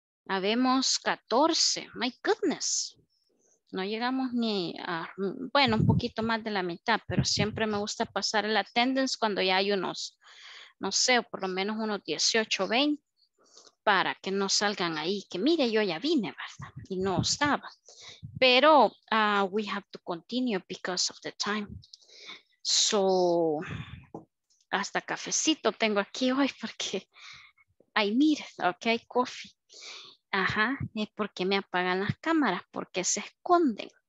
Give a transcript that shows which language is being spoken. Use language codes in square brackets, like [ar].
[es] Habemos 14. [en] My goodness. [es] No llegamos ni a... Bueno, un poquito más de la mitad, pero siempre me gusta pasar el attendance cuando ya hay unos, no sé, por lo menos unos 18, 20, para que no salgan ahí, que mire, yo ya vine, ¿verdad? Y no estaba. [en] Pero we have to continue because of the time. [es] So, hasta cafecito tengo aquí hoy porque [en] I need it, ok, coffee. [es] Ajá, es porque me apagan las cámaras, porque se esconden.